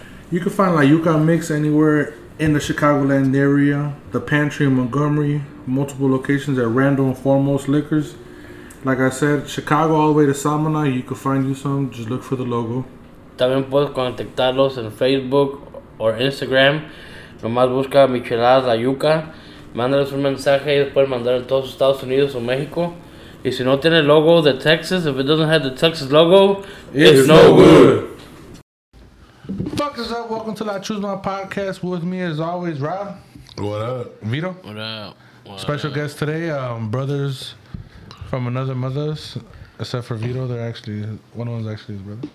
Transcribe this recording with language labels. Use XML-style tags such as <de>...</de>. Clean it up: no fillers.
<en>You can find La Yuca Mix anywhere in the Chicagoland area, the Pantry in Montgomery, multiple locations at Randall and Foremost Liquors. Like I said, Chicago all the way to Salmon, you can find you some, just look for the logo.</en> <es>También puedes contactarlos en Facebook o Instagram. Nomás busca Michelad La Yuca, mándales un mensaje y después mandar a todos Estados Unidos o México. Y si no tiene el logo de Texas,</es> <en>if it doesn't have the Texas logo, it's no good. Fuck is up, welcome to La Choose My Podcast. With me as always, Rob. What up? Vito. What up? What special up? Guest today, brothers from another mother's, except for Vito, they're actually, one of them's actually his brother.</en>